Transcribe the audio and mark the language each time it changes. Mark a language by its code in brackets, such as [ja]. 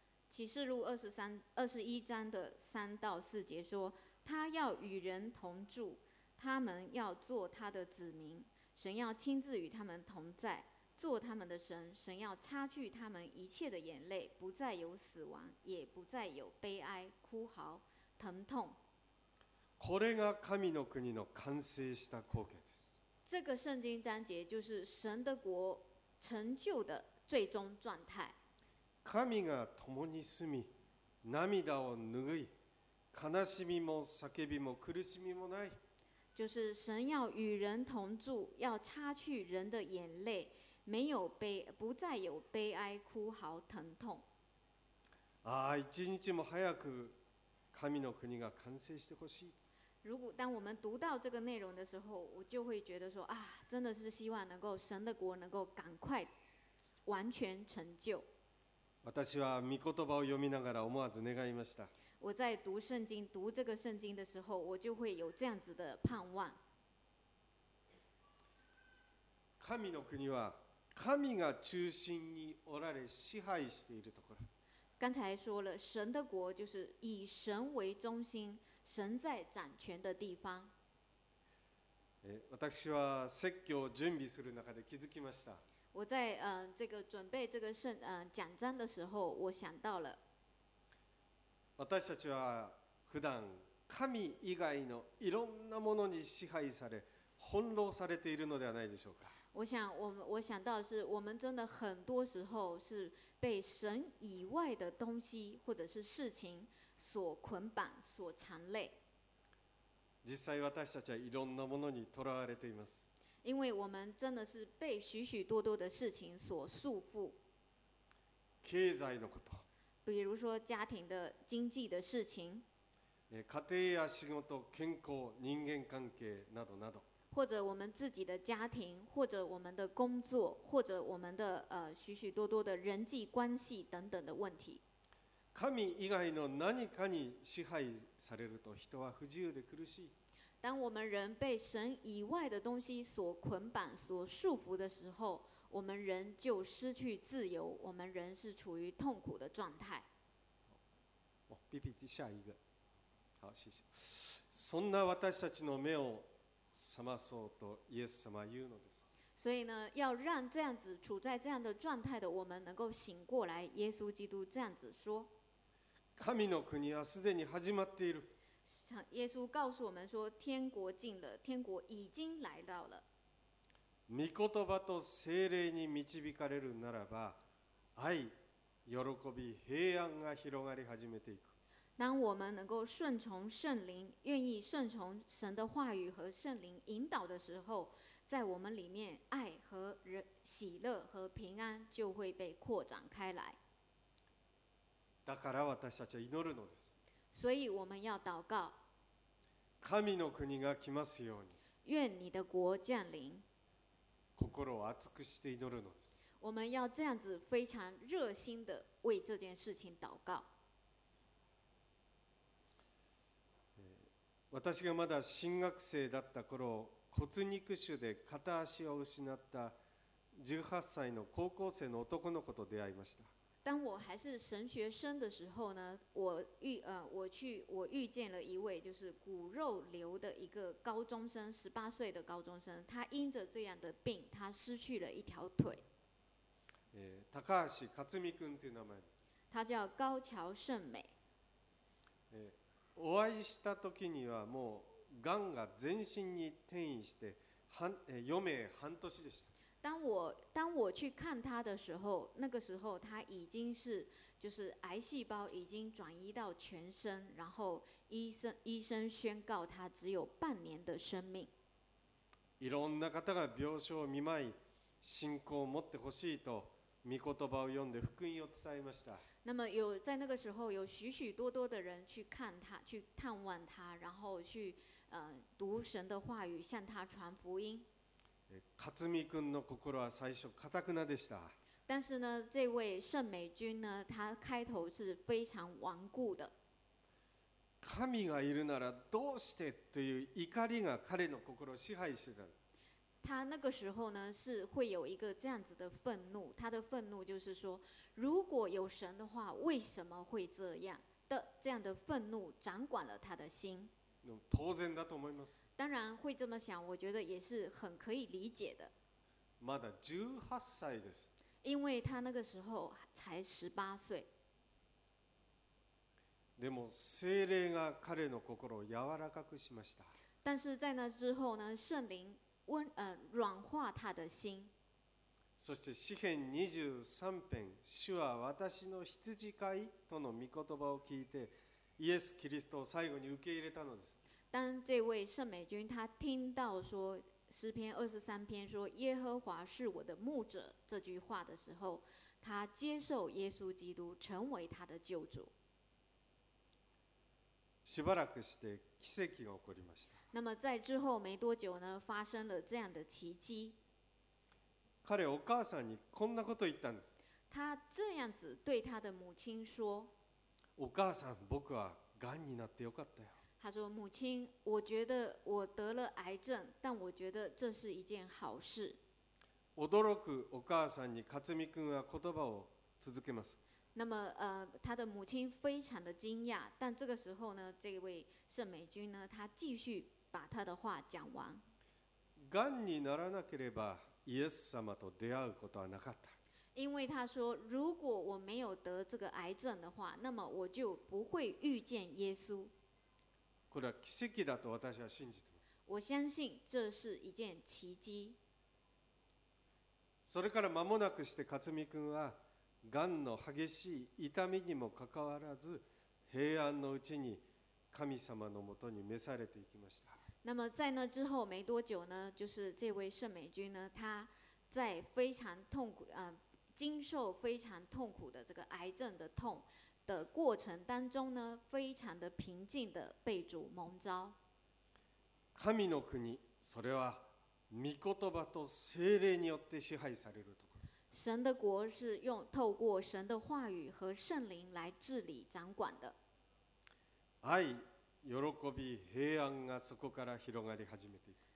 [zh] 启示录21章的3到4節说、他要与人同住、他们要做他的子民、神要亲自与他们同在、做他们的神，神要擦去他们一切的眼泪，不再有死亡，也不再有悲哀、哭嚎、疼痛。 [ja] これが神の国の完成した光景です。 [zh] 这个圣经章节就是神的国成就的最终状态。 [ja] 神が共に住み、涙を拭い、悲しみも叫びも苦しみもない。 [zh] 就是神要与人同住，要擦去人的眼泪。没有悲，不再有悲哀、哭嚎、疼痛。 [ja] ああ、一日も早く神の国が完成してほしい。 [zh] 如果当我们读到这个内容的时候，我就会觉得说啊，真的是希望能够神的国能够赶快完全成就。 [ja] 私は御言葉を読みながら思わず願いました。 [zh] 我在读圣经、读这个圣经的时候，我就会有这样子的盼望。 [ja] 神の国は神が中心におられ支配しているところ。 [zh] 刚才说了，神的国就是以神为中心，神在掌权的地方。 [ja] 私は説教を準備する中で気づきました。 [zh] 我在这个准备这个圣讲章的时候，我想到了。 [ja] 私たちは普段神以外のいろんなものに支配され、翻弄されているのではないでしょうか。 [zh] 我想到是我们真的很多时候是被神以外的东西或者是事情所捆绑所缠累。 [ja] 実際私たちはいろんなものに囚われています。 [zh] 因为我们真的是被许许多多的事情所束缚。 [ja] 経済のこと。 [zh] 比如说家庭的经济的事情。 [ja] 家庭や仕事、健康、人間関係などなど。 [zh] 或者我们自己的家庭，或者我们的工作，或者我们的许许多多的人际关系等等的问题。 [ja] 神以外の何かに支配されると人は不自由で苦しい。 [zh] 当我们人被神以外的东西所捆绑、所束缚的时候，我们人就失去自由，我们人是处于痛苦的状态。哦 ，PPT 下一个，好，谢谢。 [ja] そんな私たちの目を覚まそうとイエス様は言うのです。 [zh] 所以呢，要让这样子处在这样的状态的我们能够醒过来，耶稣基督这样子说。 [ja] 神の国はすでに始まっている。 [zh] 耶稣告诉我们说，天国近了，天国已经来到了。 [ja] 御言葉と聖霊に導かれるならば、愛、喜び、平安が広がり始めていく。 [zh] 当我们能够顺从圣灵，愿意顺从神的话语和圣灵引导的时候，在我们里面爱和喜乐和平安就会被扩展开来。 [ja] だから私たちは祈るのです。 [zh] 所以我们要祷告。 [ja] 神の国が来ますように。 [zh] 愿你的国降临。 [ja] 心を熱くして祈るのです。 [zh] 我们要这样子非常热心的为这件事情祷告。 [ja] 私がまだ新学生だった頃、骨肉腫で片足を失った18歳の高校生の男の子と出会いました。 [zh] 当我还是神学生的时候呢，我遇见了一位就是骨肉瘤的一个高中生，十八岁的高中生，他因着这样的病，他失去了一条腿。 [ja] 高橋克美君という名前です。 [zh] 他叫高桥胜美。 [ja] お会いした時にはもう癌が全身に転移して余命半年でした。 [zh] 当我去看他的时候，那个时候他已经是就是癌细胞已经转移到全身，然后医生宣告他只有半年的生命。 [ja] いろんな方が病床を見舞い、信仰を持ってほしいと御言葉を読んで福音を伝えました。 [zh] 那么有在那个时候有许许多多的人去看他，去探望他，然后去读神的话语，向他传福音。 [ja] 勝美君の心は最初固くなでした。 [zh] 但是呢，这位胜美君呢，他开头是非常顽固的。 [ja] 神がいるならどうしてという怒りが彼の心を支配してた。 [zh] 他那个时候呢，是会有一个这样子的愤怒。他的愤怒就是说，如果有神的话，为什么会这样的？这样的愤怒掌管了他的心。 [ja] 当然だと思います。 [zh] 当然会这么想，我觉得也是很可以理解的。 [ja] まだ18歳です。 [zh] 因为他那个时候才18岁。 [ja] でも聖霊が彼の心を柔らかくしました。 [zh] 但是在那之后呢，圣灵软化他的心。 [ja] そして詩篇23篇、主は私の羊飼いとの御言葉を聞いて、イエス・キリストを最後に受け入れたのです。 [zh] 当这位圣美君他听到说诗篇二十三篇说耶和华是我的牧者这句话的时候，他接受耶稣基督成为他的救主。 [ja] しばらくして奇跡が起こりました。 [zh] 那么在之后没多久呢，发生了这样的奇迹。 [ja] 彼お母さんにこんなこと言ったんです。 [zh] 他这样子对他的母亲说：“ [ja] お母さん、僕は癌になってよかったよ。” [zh] 他说：“母亲，我觉得我得了癌症，但我觉得这是一件好事。” [ja] 驚くお母さんに克美君は言葉を続けます。 [zh] 那么，他的母亲非常的惊讶，但这个时候呢，这位圣美君呢，他继续把他的话讲完。 [ja] 癌にならなければイエス様と出会うことはなかった。 [zh] 因为他说，如果我没有得这个癌症的话，那么我就不会遇见耶稣。 [ja] これは奇跡だと私は信じています。 [zh] 我相信这是一件奇迹。 [ja] それから間もなくして勝美君は癌の激しい痛みにもかかわらず平安のうちに神様のもとに召されていきました。 [zh] 那么在那之后没多久呢，就是这位圣美君呢，他在非常痛苦，经受非常痛苦的这个癌症的痛的过程当中呢，非常的平静的被主蒙召。 [ja] 神の国、それは御言葉と聖霊によって支配されると。 [zh] 神的国是用透过神的话语和圣灵来治理掌管的。 [ja] 爱、喜び、平安がそこから広がり始めていく。